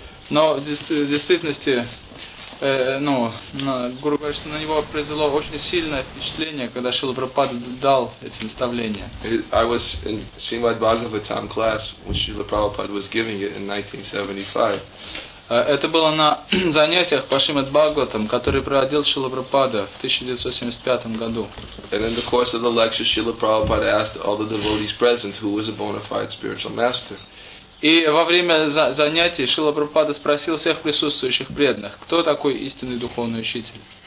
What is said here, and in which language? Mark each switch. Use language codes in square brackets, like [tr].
[ru] Но в действительности, Гуру говорит, что на него произвело очень сильное впечатление, когда Шрила Прабхупада дал эти наставления. [en] I was in Srimad Bhagavatam class when Srila Prabhupada was giving it in 1975. [ru] Это было на занятиях по Шримад Бхагаватам, которые проводил Шрила Прабхупада в 1975 году. [en] And in the course of the lecture, Srila Prabhupada asked all the devotees present who was a bona fide spiritual master. [ru] И во время занятий Шрила Прабхупада спросил всех присутствующих преданных, кто такой истинный духовный учитель.